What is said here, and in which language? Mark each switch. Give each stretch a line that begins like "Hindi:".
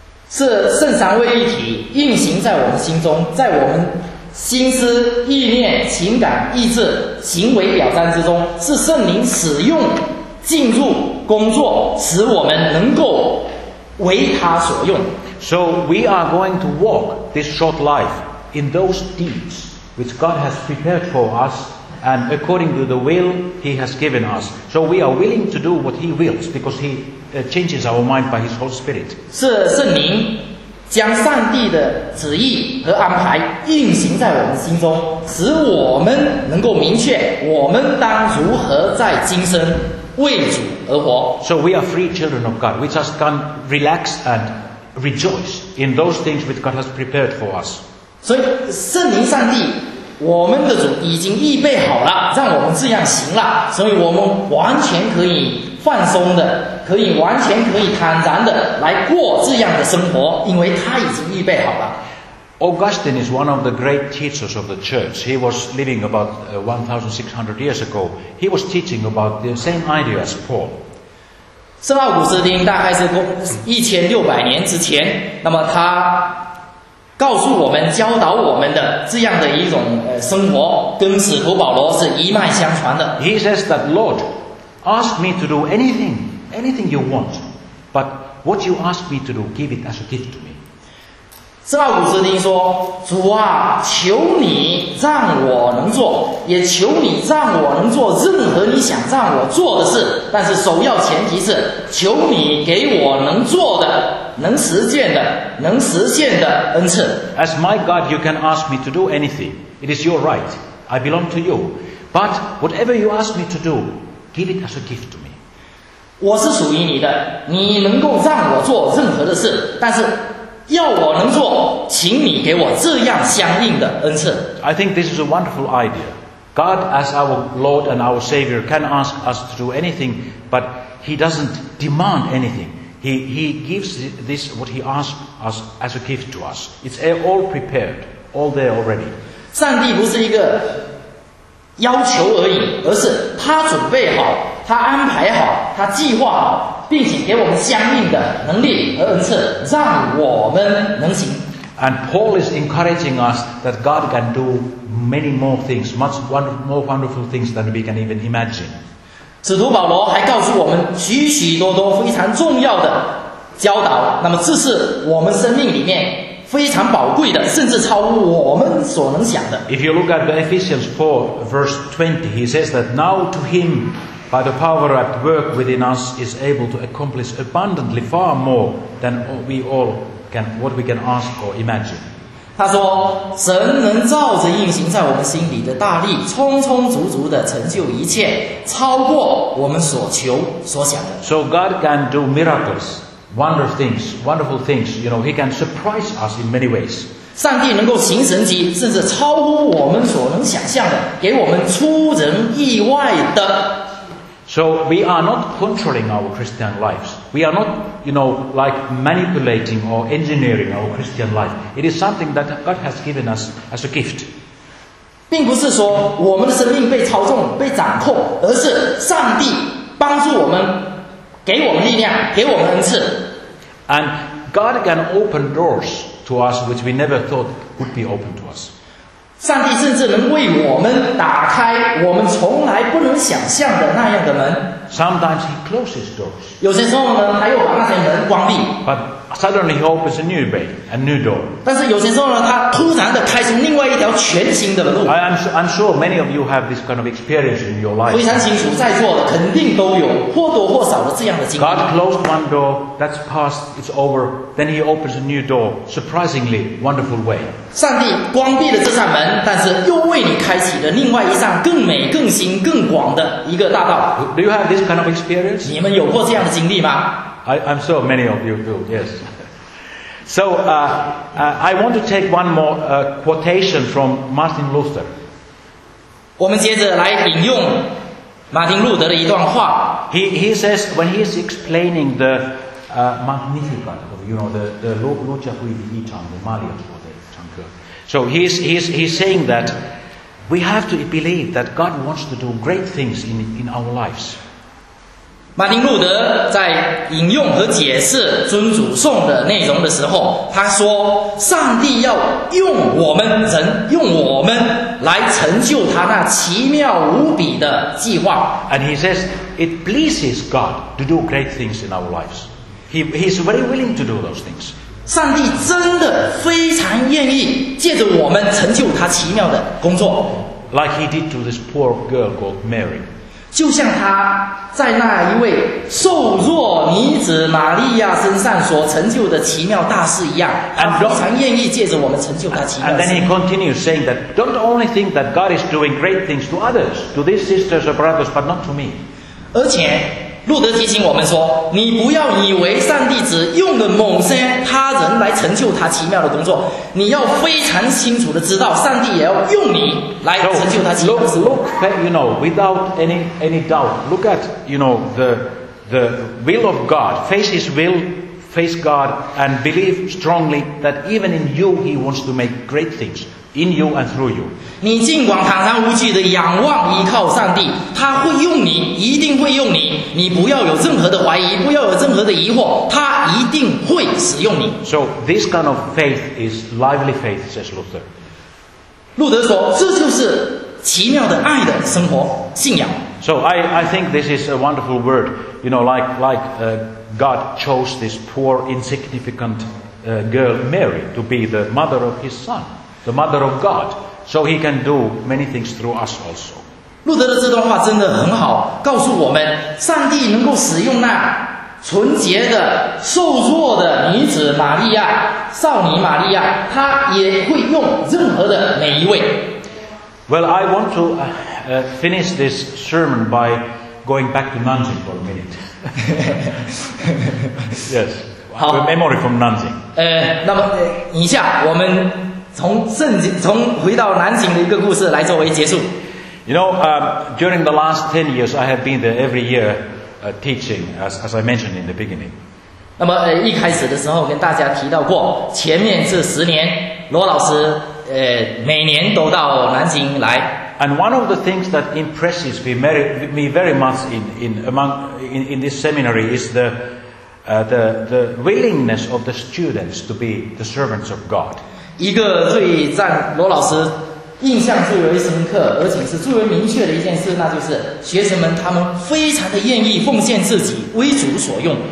Chinese: 是圣三位一体运行在我们心中，在我们心思意念情感意志行为表彰之中，是圣灵使用进入工作，使我们能够为他所用。
English: So we are going to walk this short life in those deeds which God has prepared for usAnd according to the will he has given us. So we are willing to do what he wills because he changes our mind by his Holy Spirit.
Chinese: 是圣灵将上帝的旨意和安排运行在我们心中，使我们能够明确我们当如何在今生为主而活。
English: So we are free children of God. We just can relax and rejoice in those things which God has prepared for us.
Chinese: 所以圣灵上帝我们的主已经预备好了，让我们这样行了，所以我们完全可以放松的，可以完全可以坦然的来过这样的生活，因为他已经预备好了。
English: Augustine is one of the great teachers of the church. He was living about 1,600 years ago. He was teaching about the same idea as Paul.
Chinese: 圣奥古斯丁大概是1600年之前，那么他告诉我们教导我们的这样的一种生活跟使徒保罗是一脉相传的。
English: He says that Lord, ask me to do anything you want, but what you ask me to do, give it as a gift to me.
Chinese: 圣奥古斯丁说，主啊，求你让我能做，也求你让我能做任何你想让我做的事，但是首要前提是求你给我能做的能实践的能实现的恩赐。
English: As my God, you can ask me to do anything. It is your right. I belong to you. But whatever you ask me to do, give it as a gift to me.
Chinese: 我是属于你的，你能够让我做任何的事，但是要我能做，请你给我这样相应的恩赐。
English: I think this is a wonderful idea. God, as our Lord and our Savior, can ask us to do anything, but he doesn't demand anything. He gives this what he asks us as a gift to us. It's all prepared all there already.
Chinese: 上帝不是一个要求而已，而是他准备好，他安排好，他计划好，并且给我们相应的能力和恩赐，让我们能行。
English: And Paul is encouraging us that God can do many more things, much more wonderful things than we can even imagine.
Chinese: 使徒保罗还告诉我们许许多多非常重要的教导，那么这是我们生命里面非常宝贵的，甚至超乎我们所能想的。
English: If you look at Ephesians 4, verse 20, he says that now to him, by the power at work within us, is able to accomplish abundantly far more than we all can, what we can ask or imagine.
Chinese: 他说，神能照着运行在我们心里的大力，充充足足地成就一切，超过我们所求所想的。
English: So God can do miracles. Wonderful things, you know, he can surprise us in many ways.
Chinese: 上帝能够行神迹，甚至超乎我们所能想象的，给我们出人意外的。
English: So we are not controlling our Christian lives. We are not, you know, like manipulating or engineering our Christian life. It is something that God has given us as a gift.
Chinese: 并不是说我们的生命被操纵、被掌控，而是上帝帮助我们。给我们力量，给我们恩赐。
English: And God can open doors to us which we never thought would be open to us.
Chinese: 上帝甚至能为我们打开我们从来不能想象的那样的门。
English: Sometimes he closes doors.
Chinese: 有些时候呢，他又把那些门关闭。
English: But suddenly he opens a new way, a new door.
Chinese: 但是有些时候呢，他突然的开出另外一条全新的路。
English: I'm sure many of you have this kind of experience in your life.
Chinese: 非常清楚，在座的肯定都有或多或少的这样的经历。
English: God closed one door, that's past, it's over. Then he opens a new door, surprisingly wonderful way.
Chinese: 上帝关闭了这扇门，但是又为你开启了另外一扇更美、更新、更广的一个大道。
English: Do you have this kind of experience?
Chinese: 你们有过这样的经历吗？
English: I'm sure many of you do, yes. So, I want to take one more quotation from Martin Luther.
Chinese: 我们接着来引用马丁路德的一段话。
English: He says, when he's explaining the Magnificat, you know, the Lucia Fui Vivitam, the Malian for the Chanker. So, he's saying that we have to believe that God wants to do great things in our lives.
Chinese: 马丁路德在引用和解释尊主颂的内容的时候，他说：“上帝要用我们人，用我们来成就他那奇妙无比的计划。”
English: And he says, "It pleases God to do great things in our lives. He is very willing to do those things."
Chinese: 上帝真的非常愿意借着我们成就他奇妙的工作。
English: Like he did to this poor girl called Mary.
Chinese: 就像他在那一位瘦弱女子玛利亚身上所成就的奇妙大事一样，他非常愿意借着我们成就他奇妙的事。
English: And then he continues saying that don't only think that God is doing great things to others, to these sisters or brothers, but not to me.
Chinese: 而且路德提醒我们说，你不要以为上帝只用了某些他人来成就他奇妙的工作，你要非常清楚的知道，上帝也要用你来成就他奇妙的事。
English: Look, you know, without any doubt, look at, you know, the will of God, face his will, face God, and believe strongly that even in you he wants to make great things. In you and through you.
Chinese: 你尽管坦然无惧地仰望依靠上帝，他会用你，一定会用你。你不要有任何的怀疑，不要有任何的疑惑，他一定会使用你。
English: So this kind of faith is lively faith, says Luther.
Chinese: 路德说，这就是奇妙的爱的生活信仰。
English: So I think this is a wonderful word. You know, God chose this poor, insignificant girl Mary to be the mother of His Son. The mother of God, so he can do many things through us also.
Chinese: 路德的这段话真的很好，告诉我们，上帝能够使用那纯洁的、瘦弱的女子玛利亚，少女玛利亚，他也会用任何的每一位。
English: Well, I want to finish this sermon by going back to Nanjing for a minute. Yes, a memory from Nanjing.
Chinese: 那么以下我们。从回到南京的一个故事来作为结束。
English: You know, during the last 10 years, I have been there every year, teaching, as I mentioned in the beginning.
Chinese: 那么一开始的时候跟大家提到过，前面这十年，罗老师每年都到南京来。
English: And one of the things that impresses me very much in this seminary is the willingness of the students to be the servants of God.
Chinese: 一个最让罗老师印象最为深刻，而且是最为明确的一件事，那就是学生们他们非常的愿意奉献自己为主所用。